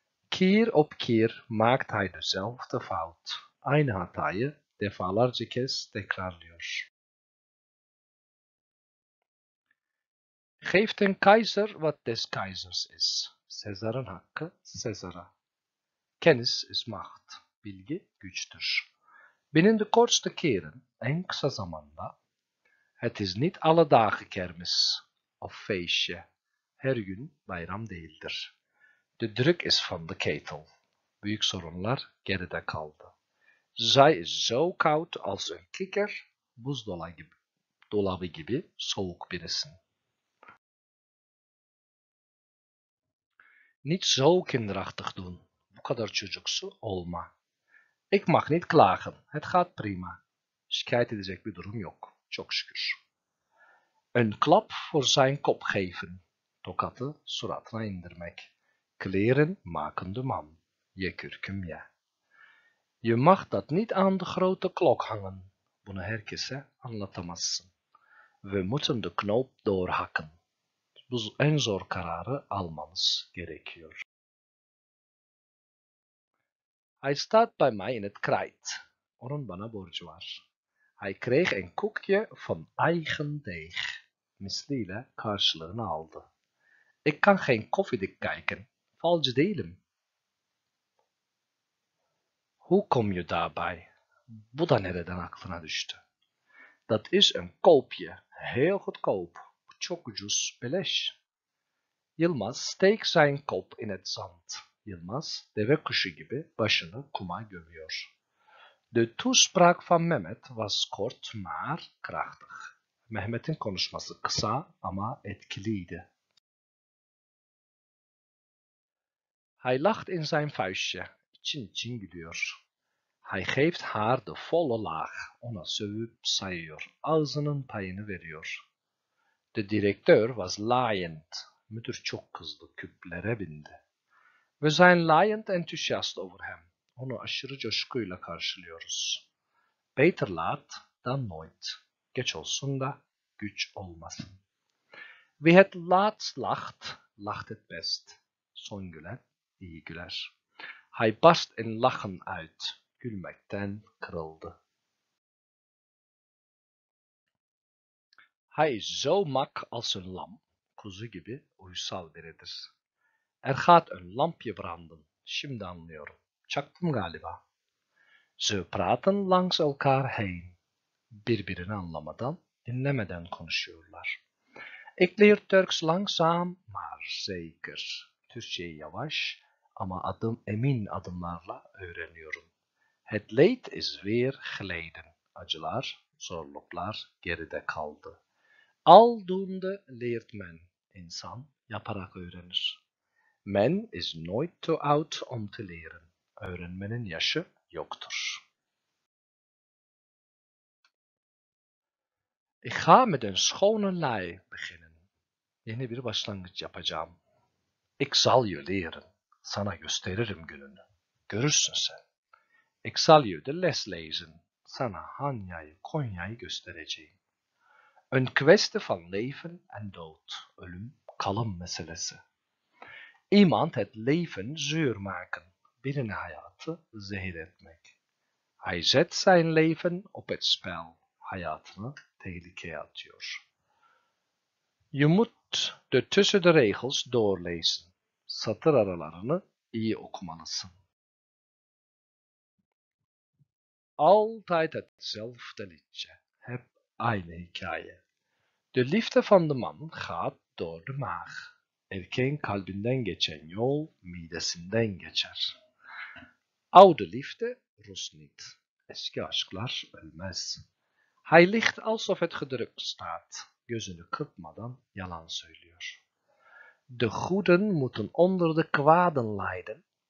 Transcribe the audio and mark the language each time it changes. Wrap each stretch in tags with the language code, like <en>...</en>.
<nl>Keer op keer maakt hij dezelfde fout.</nl> <tr>Aynı hatayı defalarca kez tekrarlıyor.</tr> <nl>Geef den Kaiser wat des Kaisers is.</nl> <tr>Sezar'ın hakkı Sezar'a.</tr> <nl>Kennis is macht.</nl> <tr>Bilgi güçtür.</tr> <nl>Binnen de kortste keren,</nl> <tr>en kısa zamanda,</tr> <nl>het is niet alle dagen kermis of feestje.</nl> <tr>Her gün bayram değildir.</tr> <nl>De druk is van de ketel.</nl> <tr>Büyük sorunlar geride kaldı.</tr> <nl>Zij is zo koud als een kikker.</nl> <tr>Buzdolabı gibi soğuk birisin.</tr> <nl>Niet zo kinderachtig doen. Bu kadar çocuksu olma. Ik mag niet klagen. Het gaat prima.</nl> <tr>Şikayet edecek bir durum yok. Çok şükür.</tr> <nl>Een klap voor zijn kop geven.</nl> <tr>Tokatı suratına indirmek.</tr> <nl>Kleren maken de man.</nl> <tr>Je kürküm ye.</tr> <nl>Je mag dat niet aan de grote klok hangen.</nl> <tr>Bunu herkese anlatamazsın.</tr> <nl>We moeten de knoop doorhakken.</nl> <tr>Bu en zor kararı almamız gerekiyor.</tr> <nl>Hij staat bij mij in het krijt.</nl> <tr>Onun bana borcu var.</tr> <nl>Hij kreeg een koekje van eigen deeg.</nl> <tr>Misliyle karşılığını aldı.</tr> <nl>Ik kan geen koffiedik kijken.</nl> <tr>Valcı değilim.</tr> <nl>Hoe kom je daarbij?</nl> <tr>Bu da nereden aklına düştü?</tr> <nl>Dat is een koopje. Heel goedkoop.</nl> <tr>Çok ucuz. Beleş.</tr> <nl>Yılmaz steekt zijn kop in het zand.</nl> <tr>Yılmaz deve kuşu gibi başını kuma gömüyor.</tr> <nl>De toespraak van Mehmet was kort maar krachtig.</nl> <tr>Mehmet'in konuşması kısa ama etkiliydi.</tr> <nl>Hij lacht in zijn vuistje.</nl> <tr>İçin için gülüyor.</tr> <nl>Hij geeft haar de volle laag.</nl> <tr>Ona sövüp sayıyor. Ağzının payını veriyor.</tr> <nl>De directeur was laaiend.</nl> <tr>Müdür çok kızdı. Küplere bindi.</tr> <nl>We zijn laaiend enthousiast over hem.</nl> <tr>Onu aşırı coşkuyla karşılıyoruz.</tr> <nl>Beter laat dan nooit.</nl> <tr>Geç olsun da güç olmasın.</tr> <nl>Wie het laatst lacht, lacht het best.</nl> <tr>Son gülen iyi güler.</tr> <nl>Hij barst in lachen uit.</nl> <tr>Gülmekten kırıldı.</tr> <nl>Hij is zo mak als een lam.</nl> <tr>Kuzu gibi uysal biridir.</tr> <nl>Er gaat een lampje branden.</nl> <tr>Şimdi anlıyorum. Çaktım galiba.</tr> <nl>Ze praten langs elkaar heen.</nl> <tr>Birbirini anlamadan, dinlemeden konuşuyorlar.</tr> <nl>Ik leer Turks langzaam, maar zeker.</nl> <tr>Türkçeyi yavaş, ama adım emin adımlarla öğreniyorum.</tr> <nl>Het leed is weer geleden.</nl> <tr>Acılar, zorluklar geride kaldı.</tr> <nl>Aldoende leert men.</nl> <tr>İnsan yaparak öğrenir.</tr> <nl>Men is nooit too out om te leren.</nl> <tr>Öğrenmenin yaşı yoktur.</tr> <nl>Ik ga met een schone lei beginnen.</nl> <tr>Yeni bir başlangıç yapacağım.</tr> <nl>Ik zal je leren.</nl> <tr>Sana gösteririm gününü. Görürsün sen.</tr> <nl>Ik zal je de les lezen.</nl> <tr>Sana Hanya'yı, Konya'yı göstereceğim.</tr> <nl>Een kwestie van leven en dood.</nl> <tr>Ölüm, kalım meselesi.</tr> <nl>Iemand het leven zuur maken.</nl> <tr>Birine hayatı zehir etmek.</tr> <nl>Hij zet zijn leven op het spel.</nl> <tr>Hayatını tehlikeye atıyor.</tr> <nl>Je moet de tussen de regels doorlezen.</nl> <tr>Satır aralarını iyi okumalısın.</tr> <nl>Altijd hetzelfde liedje.</nl> <tr>Hep aynı hikaye.</tr> <nl>De liefde van de man gaat door de maag.</nl> <tr>Erkeğin kalbinden geçen yol midesinden geçer.</tr> <nl>Oude liefde rust niet.</nl> <tr>Eski aşklar ölmez.</tr> <nl>Hij ligt alsof het gedrukt staat.</nl> <tr>Gözünü kırpmadan yalan söylüyor.</tr> <nl>De goeden moeten onder de kwaden lijden.</nl>